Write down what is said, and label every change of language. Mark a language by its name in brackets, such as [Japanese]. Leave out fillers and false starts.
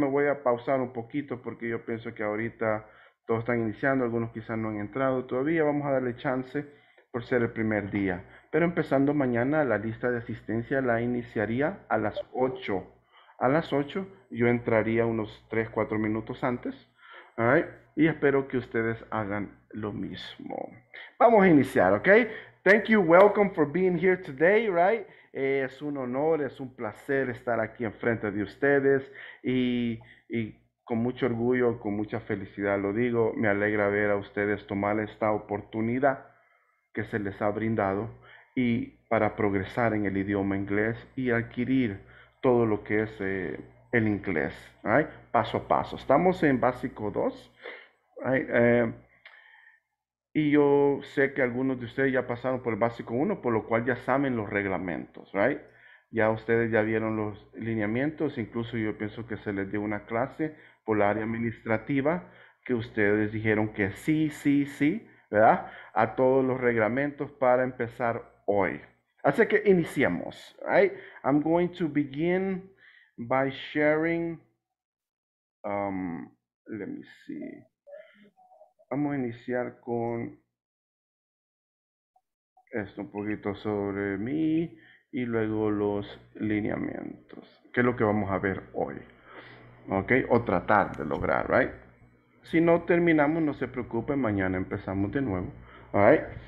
[Spanish] Me voy a pausar un poquito porque yo pienso que ahorita todos están iniciando, algunos quizás no han entrado todavía, vamos a darle chance por ser el primer día, pero empezando mañana la lista de asistencia la iniciaría a las 8. A las 8 yo entraría unos 3, 4 minutos antes, all right? Y espero que ustedes hagan lo mismo. Vamos a iniciar, ¿ok? [English] Thank you, welcome for being here today, right? [Spanish] Es un honor, es un placer estar aquí enfrente de ustedes y con mucho orgullo, con mucha felicidad lo digo, me alegra ver a ustedes tomar esta oportunidad que se les ha brindado y para progresar en el idioma inglés y adquirir todo lo que es el inglés, right? Paso a paso. Estamos en básico 2, right? Y yo sé que algunos de ustedes ya pasaron por el básico 1, por lo cual ya saben los reglamentos, right? Ya ustedes ya vieron los lineamientos, incluso yo pienso que se les dio una clase por la área administrativa que ustedes dijeron que sí, sí, sí, ¿verdad? A todos los reglamentos para empezar hoy. Así que iniciamos, right? [English] I'm going to begin by sharing, let me see. [Spanish] Vamos a iniciar con esto un poquito sobre mí y luego los lineamientos. ¿Qué es lo que vamos a ver hoy? ¿Ok? O tratar de lograr, right? Si no terminamos, no se preocupen, mañana empezamos de nuevo, alright?